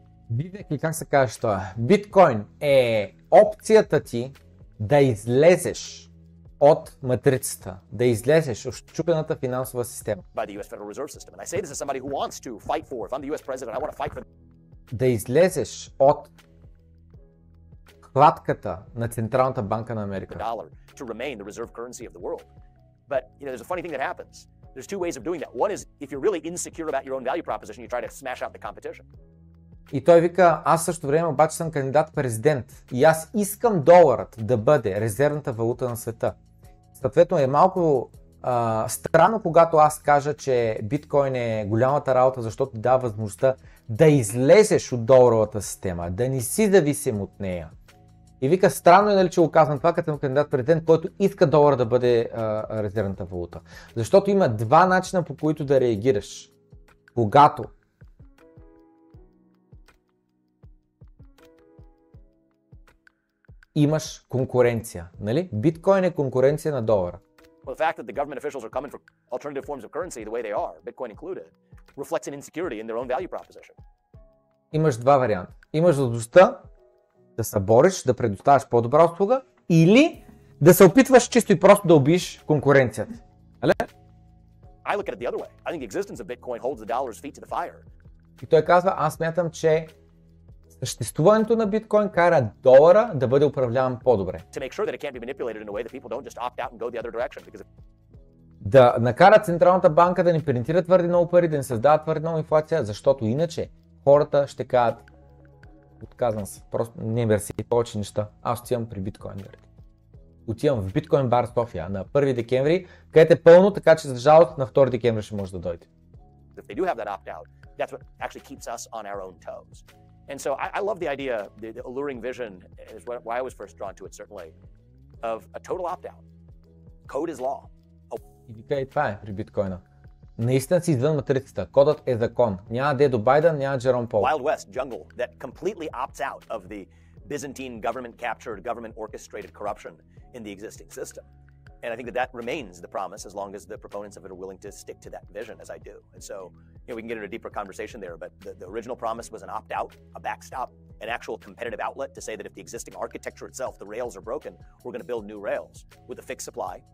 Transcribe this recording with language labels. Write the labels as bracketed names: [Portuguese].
[Bulgarian] Бивек ли, как се кажеш това? Bitcoin е опцията ти да излезеш от матрицата, да излезеш от чупената финансова система. [English] By the US Federal Reserve System. And I say this as somebody who wants to fight for, if I'm the US President, I want to fight for... [Bulgarian] Да излезеш от хватката на Централната банка на Америка. [English] The dollar to remain the reserve currency of the world. But you know, there's a funny thing that happens. There's two ways of doing that. One is if you're really insecure about your own value proposition, you try to smash out the competition. [Bulgarian] И той вика, аз също време обаче съм кандидат президент и аз искам доларът да бъде резервната валута на света. Съответно е малко странно, когато аз кажа, че биткоин е голямата работа, защото дава възможността да излезеш от доларовата система, да не си зависим от нея. И вика, странно е, нали, че го казвам това, като съм кандидат президент, който иска долара да бъде резервната валута. Защото има два начина, по които да реагираш. Когато имаш конкуренция, нали? Биткоин е конкуренция на долара. [English] Well, the fact that the government officials are coming for alternative forms of currency the way they are, Bitcoin included, reflects an insecurity in their own value proposition. [Bulgarian] Имаш два варианта. Имаш злостта да се бориш, да предоставяш по-добра услуга или да се опитваш чисто и просто да убиеш конкуренцията. Але? [English] I look at it the other way. I think the existence of Bitcoin holds the dollar's feet to the fire. [Bulgarian] И той казва, аз смятам, че съществуването на Bitcoin кара долара да бъде управляван по-добре. [English] To make sure that it can't be manipulated in a way that people don't just opt out and go the other direction because [Bulgarian] да накара Централната банка да ни принтира твърде много пари, да ни създава твърде много инфлация, защото иначе хората ще кажат, отказвам се, просто не мерси и повече неща. Аз отивам при биткоин. Отивам в биткоин бар София на 1 декември, където е пълно, така че за жалост на 2 декември ще може да дойде. [English] If they do have that opt-out, that's what actually keeps us on our own toes. And so I love the idea, the alluring vision, is what, why I was first drawn to it certainly, of a total opt-out. Code is law. [Bulgarian] И вика, и това е при биткоина. Наистина си извън матрицата. Кодът е закон. Няма Дедо Байден, няма Джером Пол. [English] Wild West, jungle, that completely opts out of the Byzantine government-captured, government-orchestrated corruption in the existing system. And I think that that remains the promise as long as the proponents of it are willing to stick to that vision, as I do. And so, you know, we can get into a deeper conversation there, but the original promise was an opt-out, a backstop, an actual competitive outlet to say that if the existing architecture itself, the rails are broken, we're going to build new rails with a fixed supply.